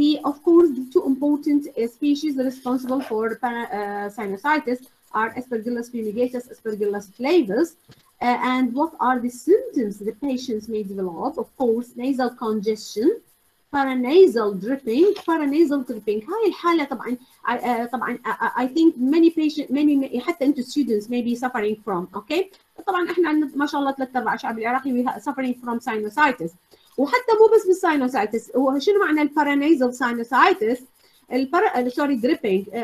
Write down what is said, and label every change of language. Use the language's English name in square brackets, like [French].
[English] Of course, the two important species responsible for sinusitis are Aspergillus fumigatus, Aspergillus flavus. And what are the symptoms the patients may develop? Of course, nasal congestion, paranasal dripping. [Arabic] هاي الحالة طبعاً, طبعاً [English] I think many patients, many حتى into students may be suffering from. [Arabic] Okay, طبعاً إحنا ما شاء الله ثلاثة أربعة شعب العراقي [English] suffering from sinusitis. [Arabic] وحتى مو بس بالsinusitis. وشنو معنى paranasal sinusitis? Dripping.